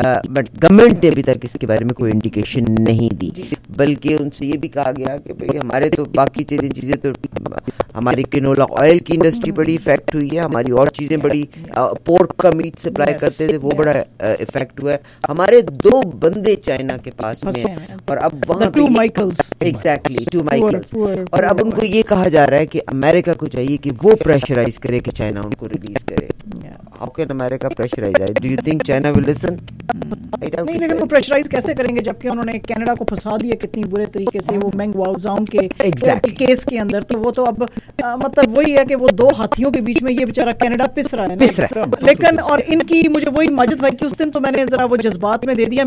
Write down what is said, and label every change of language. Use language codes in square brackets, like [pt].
[hi] But government ने अभी तक इसके बारे में कोई इंडिकेशन नहीं दी, बल्कि उनसे ये भी कहा गया कि भाई हमारे तो बाकी चीजें तो हमारी किनोला ऑयल की इंडस्ट्री बड़ी इफेक्ट हुई है, हमारी और चीजें बड़ी पोर्क का मीट सप्लाई करते थे वो बड़ा इफेक्ट हुआ है, हमारे दो बंदे चाइना के पास में और अब वहां to Michaels, exactly to Michaels, और अब उनको ये कहा जा रहा है कि अमेरिका को चाहिए कि वो प्रेशराइज करे कि चाइना उनको रिलीज करे. [en] How can America pressurize that? Do you think China will listen? [hi] नहीं, लेकिन वो प्रेशराइज कैसे करेंगे जबकि उन्होंने कनाडा को फंसा दिया कितनी बुरे तरीके से वो मैंगवाओजाओं के केस के अंदर. तो वो तो अब मतलब वही है कि वो दो हाथियों के बीच में ये बेचारा कनाडा पिस रहा है ना, पिस रहा है. लेकिन और इनकी मुझे वही माजिद भाई की उस दिन तो मैंने जरा वो जज्बात में दे दिया.